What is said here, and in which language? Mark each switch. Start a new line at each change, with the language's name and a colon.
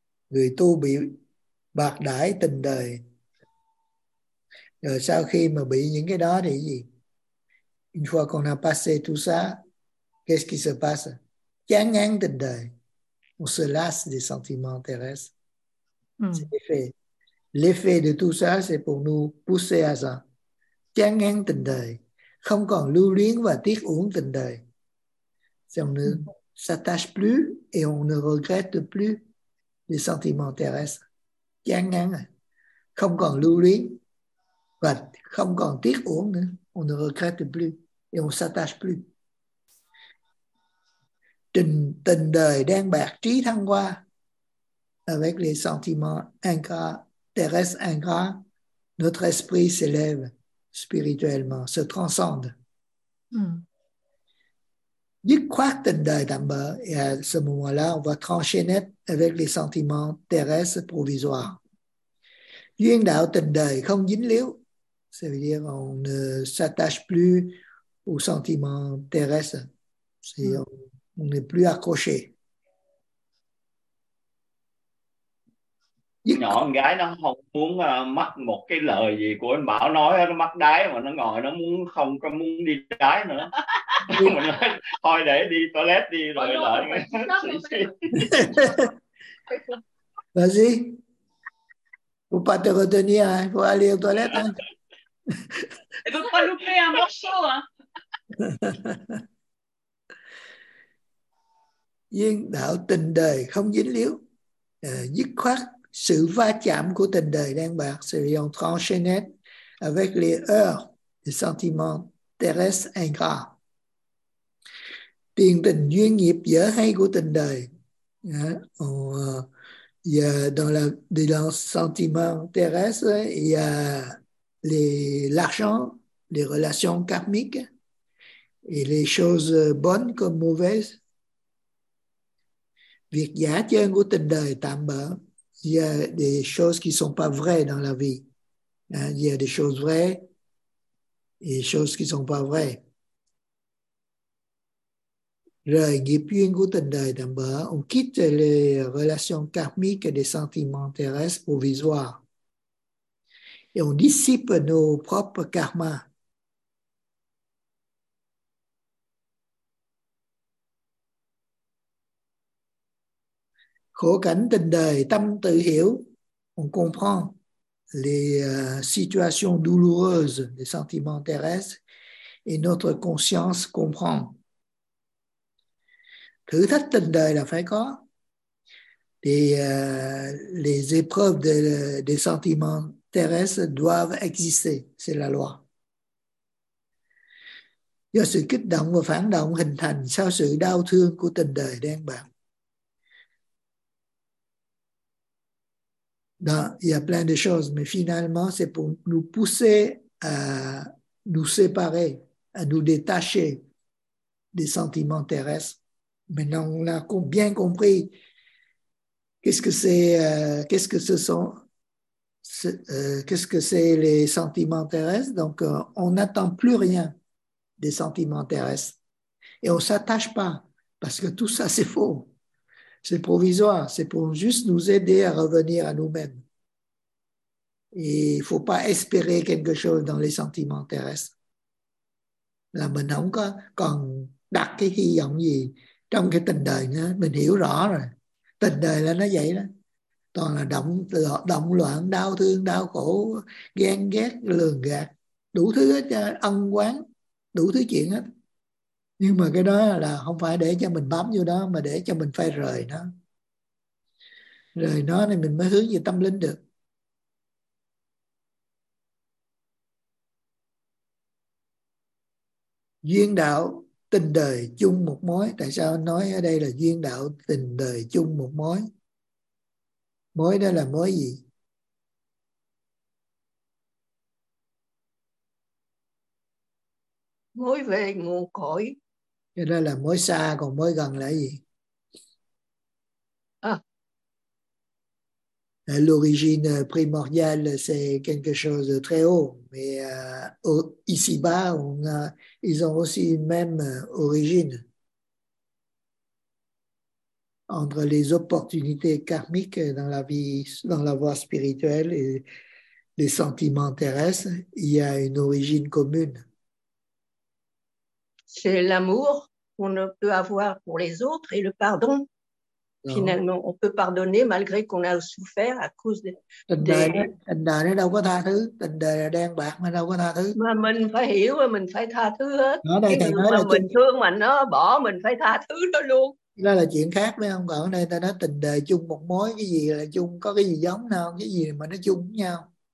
Vietnamese: Người tu bị bạc đãi tình đời. Rồi sau khi mà bị những cái đó thì gì?
French: Une fois qu'on a passé tout ça, qu'est-ce qui se passe?
Vietnamese: Chán ngán tình đời.
French: On se lasse des sentiments terrestres. C'est l'effet. L'effet de tout ça, c'est pour nous pousser à ça.
Vietnamese: Chán ngán tình đời. Không còn lưu luyến và tiếc uống tình đời.
French: C'est on ne s'attache plus et on ne regrette plus les sentiments terrestres.
Vietnamese: Chán ngán. Không còn lưu luyến và không còn tiếc uống nữa.
French: On ne regrette plus. Et on s'attache plus.
Vietnamese: Tình đời đen bạc trí thăng hoa
French: avec les sentiments ingrats, terrestres ingrats, notre esprit s'élève spirituellement, se transcende.
Vietnamese: Dứt khoát tình đời tạm bỡ,
French: et à ce moment-là, on va trancher net avec les sentiments terrestres provisoires.
Vietnamese: Duyên đạo tình đời không dính líu,
French: ça veut dire on ne s'attache plus au sentiment terrestre. C'est, on n'est plus accroché.
Vietnamese: Nhỏ con gái nó không muốn mắc một cái lời gì của anh Bảo nói, nó mắc đái mà nó ngồi nó muốn không có muốn đi đái nữa. Mình nói, thôi để đi toilet đi rồi lại.
French: Vas-y. Faut pas te retenir, hein. Faut aller aux toilettes. Hein. Elle veut pas louper un morceau, hein.
Vietnamese: Duyên đạo tình đời không dính líu, dứt khoát sự va chạm của tình đời đen bạc, sự dòng
French: tranché net avec les heures, les sentiments terrestres ingrats.
Vietnamese: Tiền tình duyên nghiệp dở hay của tình đời,
French: dans les sentiments terrestres, il y a l'argent, les relations karmiques et les choses bonnes comme mauvaises.
Vietnamese: Việc giả trên của tình đời tạm bợ,
French: il y a des choses qui ne sont pas vraies dans la vie. Il y a des choses vraies et des choses qui ne sont pas vraies.
Vietnamese: Rời nghiệp duyên của tình đời tạm bợ,
French: on quitte les relations karmiques et des sentiments terrestres provisoires. Et on dissipe nos propres karmas.
Vietnamese: Khổ cảnh tình đời, tâm tự hiểu,
French: on comprend les situations douloureuses, les sentiments terrestres, et notre conscience comprend.
Vietnamese: Thử thách tình đời là phải có.
French: Les épreuves des sentiments terrestres doivent exister, c'est la loi.
Vietnamese: Do sự kích động và phản động hình thành sau sự đau thương của tình đời đen bạc.
French: Non, il y a plein de choses, mais finalement, c'est pour nous pousser à nous séparer, à nous détacher des sentiments terrestres. Maintenant, on a bien compris qu'est-ce que c'est les sentiments terrestres. Donc, on n'attend plus rien des sentiments terrestres. Et on ne s'attache pas, parce que tout ça, c'est faux. C'est provisoire, c'est pour juste nous aider à revenir à nous-mêmes. Et il ne faut pas espérer quelque chose dans les sentiments terrestres.
Vietnamese: Là mình không có còn đặt cái hy vọng gì trong cái tình đời nữa. Mình hiểu rõ rồi. Tình đời là nó vậy đó. Toàn là động loạn, đau thương, đau khổ, ghen ghét, lường gạt. Đủ thứ hết, ân quán, đủ thứ chuyện hết. Nhưng mà cái đó là không phải để cho mình bám vô đó, mà để cho mình phải rời nó. Rời nó thì mình mới hướng về tâm linh được. Duyên đạo tình đời chung một mối. Tại sao nói ở đây là duyên đạo tình đời chung một mối? Mối đó là mối gì? Mối về nguồn cội. Cho nên là mối xa, còn mối gần là gì? À.
French: L'origine primordiale, c'est quelque chose de très haut. Mais ici-bas, ils ont aussi une même origine. Entre les opportunités karmiques dans la vie, dans la voie spirituelle et les sentiments terrestres, il y a une origine commune. C'est l'amour qu'on peut avoir pour les autres et le pardon. Non. Finalement, on peut pardonner malgré qu'on a souffert à cause de.
Vietnamese: Tình đời đâu có tha thứ. Tình đời là đen bạc mà đâu có tha thứ. Mà mình phải hiểu và mình phải tha thứ hết. Ở đây thầy nói là mình thương mà nó bỏ mình phải tha thứ nó luôn. Đó là chuyện khác phải không? Còn ở đây ta nói tình đời chung một mối, cái gì là chung, có cái gì giống nào, cái gì mà nó chung với nhau.